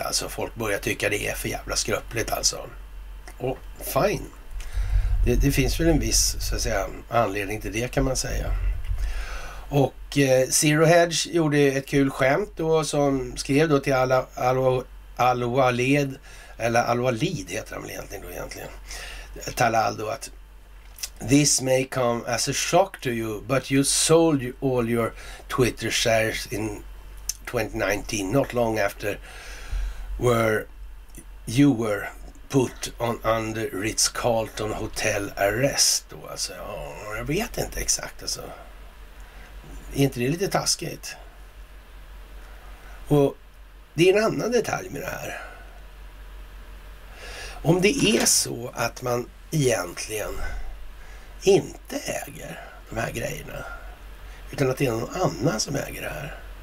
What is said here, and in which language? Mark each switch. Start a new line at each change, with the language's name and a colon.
Swedish: Alltså folk börjar tycka det är för jävla skröpligt alltså. Och fine. Det finns väl en viss, så att säga, anledning till det kan man säga. Och Zero Hedge gjorde ett kul skämt då, som skrev då till Al-Walid, eller Al-Walid heter han egentligen då egentligen.
English: Talal
Swedish: då att
English: this may come as a shock to you, but you sold all your Twitter shares in 2019, not long after where you were put on under Ritz-Carlton hotel arrest
Swedish: då. Alltså, jag vet inte exakt alltså. Är inte det lite taskigt? Och det är en annan detalj med det här. Om det är så att man egentligen inte äger de här grejerna, utan att det är någon annan som äger det här.